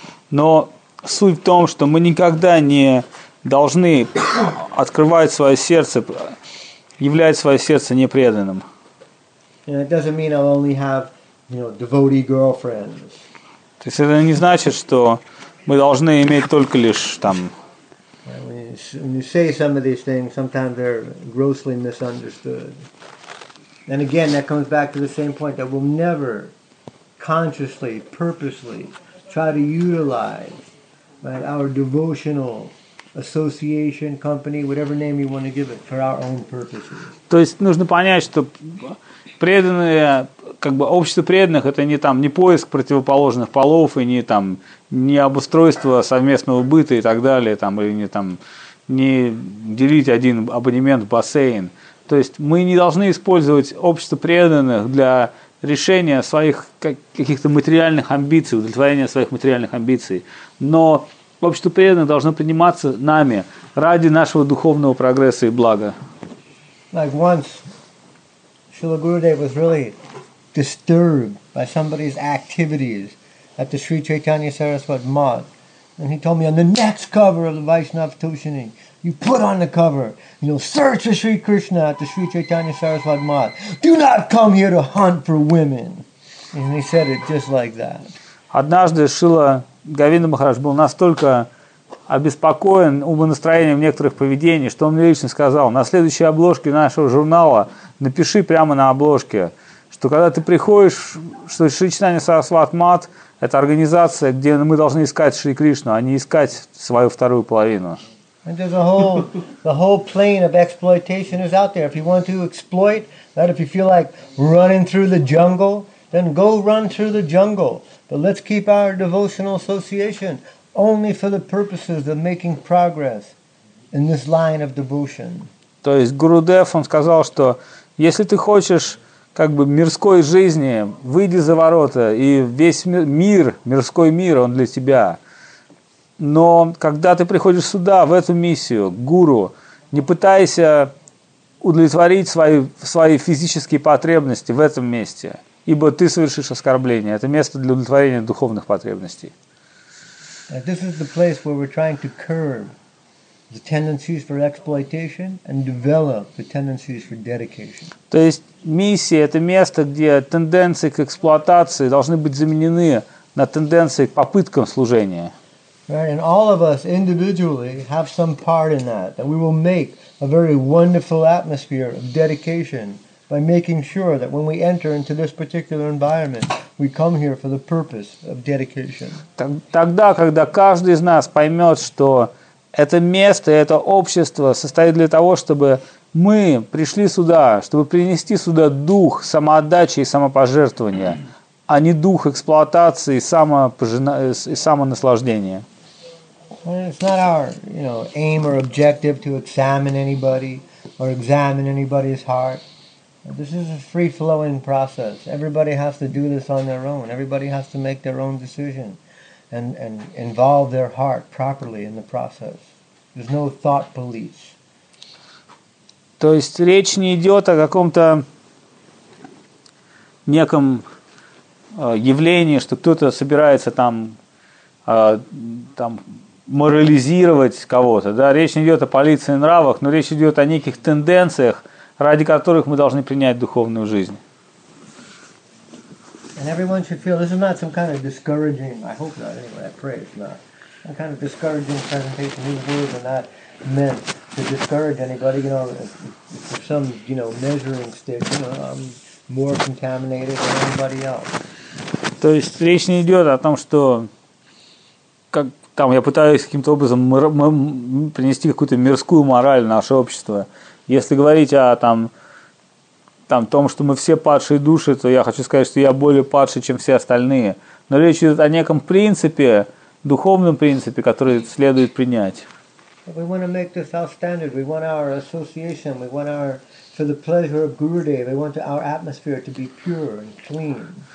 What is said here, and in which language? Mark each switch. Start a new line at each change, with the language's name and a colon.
Russian: Но суть в том, что мы никогда не должны открывать свое сердце, являть свое сердце непреданным.
English: And it doesn't mean I'll only have, you know, devotee girlfriends.
Russian: То есть это не значит, что мы должны иметь только лишь там.
English: When you say some of these things, sometimes they're grossly misunderstood. And again, that comes back to the same point that we'll never consciously, purposely try to utilize, right, our devotional association, company, whatever name you want to give it, for our own purposes.
Russian: То есть нужно понять, что преданные, как бы общество преданных, это не там не поиск противоположных полов и не там не обустройство совместного быта и так далее, там или не там не делить один абонемент в бассейн. То есть мы не должны использовать общество преданных для решения своих каких-то материальных амбиций, удовлетворения своих материальных амбиций. Но общество преданных должно приниматься нами ради нашего духовного прогресса и блага.
English: Like once Srila Gurudev was really disturbed by somebody's activities at the Sri Chaitanya Saraswat Math. And he told me on the next cover of the Vaishnav Tushini, you put on the cover, you know, search for Sri Krishna at the Sri Chaitanya Saraswat Math. Do not come here to hunt for women. And he said it just like that.
Russian: Однажды Шрила Говинда Махарадж был настолько обеспокоен умонастроением некоторых поведений, что он мне лично сказал, на следующей обложке нашего журнала напиши прямо на обложке, что когда ты приходишь, что Шри Чайтанья Сарасват Мат – это организация, где мы должны искать Шри Кришну, а не искать свою вторую половину.
English: And there's a whole, the whole plane of exploitation is out there. If you want to exploit, that if you feel like running through the jungle, then go run through the jungle. But let's keep our devotional association only for the purposes of making progress in this line of devotion.
Russian: То есть Гурудев, он сказал, что если ты хочешь как бы мирской жизни, выйди за ворота, и весь мир, мирской мир, он для тебя. Но когда ты приходишь сюда, в эту миссию, к гуру, не пытайся удовлетворить свои физические потребности в этом месте, ибо ты совершишь оскорбление. Это место для удовлетворения духовных потребностей.
English: This is the place where we're trying to curb the tendencies for exploitation and develop the tendencies for dedication.
Russian: То есть миссия – это место, где тенденции к эксплуатации должны быть заменены на тенденции к попыткам служения.
English: Right, and all of us individually have some part in that, that we will make a very wonderful atmosphere of dedication by making sure that when we enter into this particular environment, we come here for the purpose of dedication.
Russian: Тогда, когда каждый из нас поймет, что это место, это общество состоит для того, чтобы мы пришли сюда, чтобы принести сюда дух самоотдачи и самопожертвования, а не дух эксплуатации и самонаслаждения.
English: It's not our, you know, aim or objective to examine anybody or examine anybody's heart. This is a free-flowing process. Everybody has to do this on their own. Everybody has to make their own decision and involve their heart properly in the process. There's no thought police.
Russian: То есть речь не идет о каком-то неком явлении, что кто-то собирается там морализировать кого-то. Да? Речь не идет о полиции нравов, но речь идет о неких тенденциях, ради которых мы должны принять духовную жизнь.
English: And everyone should feel this is not some kind of discouraging, I hope not anyway, I pray it's not, some kind of discouraging presentation. These words are not meant to discourage anybody, you know, for some, you know, measuring stick, you know, I'm more contaminated than anybody else.
Russian: То есть речь не идет о том, что как там я пытаюсь каким-то образом принести какую-то мирскую мораль в наше общество. Если говорить о том, что мы все падшие души, то я хочу сказать, что я более падший, чем все остальные. Но речь идет о неком принципе, духовном принципе, который следует принять.
English: We want to make this our standard. We want our association. We want our, for the pleasure of Gurudev, we want our atmosphere to be pure and clean.